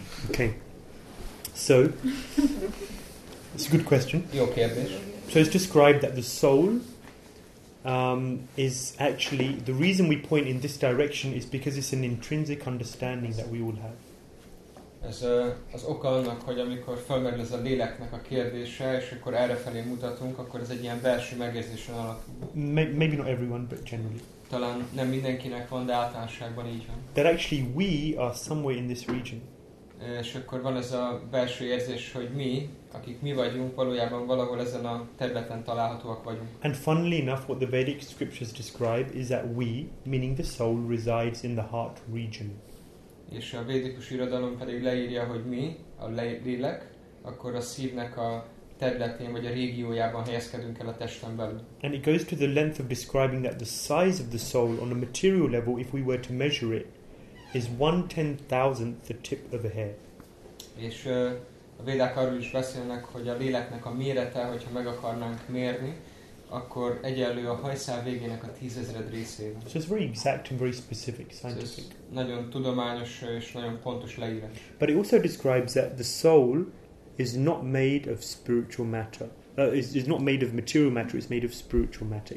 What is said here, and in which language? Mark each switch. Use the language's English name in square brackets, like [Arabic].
[English] Okay. So, it's a good question. You okay, Abish? So it's described that the soul is actually, the reason we point in this direction is because it's an intrinsic understanding that we all have. [Hungarian] Ez az oka annak, hogy amikor felmerül ez a léleknek a kérdése, és akkor errefelé mutatunk, akkor ez egy ilyen belső megérzésen alapul. [English] Maybe not everyone, but generally. [Hungarian] Talán nem mindenkinek van, de általánosságban így van. [English] That actually we are somewhere in this region. [Hungarian] És akkor van ez a belső érzés, hogy mi, akik mi vagyunk, valójában valahol ezen a területen találhatóak vagyunk. [English] And funnily enough, what the Vedic scriptures describe is that we, meaning the soul, resides in the heart region. [Hungarian] És a védikus irodalom pedig leírja, hogy mi, a lélek, akkor a szívnek a területén, vagy a régiójában helyezkedünk el a testen belül. [English] And it goes to the length of describing that the size of the soul on a material level, if we were to measure it, is 1/10,000th the tip of a hair. [Hungarian] És a védák arról is beszélnek, hogy a léleknek a mérete, hogyha meg akarnánk mérni, akkor egyenlő a hajszál végének a 10,000 részével. [English] So it's very exact and very specific, scientific. [Hungarian] So nagyon tudományos és nagyon pontos leírás. [English] But it also describes that the soul is not made of spiritual matter. Is not made of material matter, it's made of spiritual matter.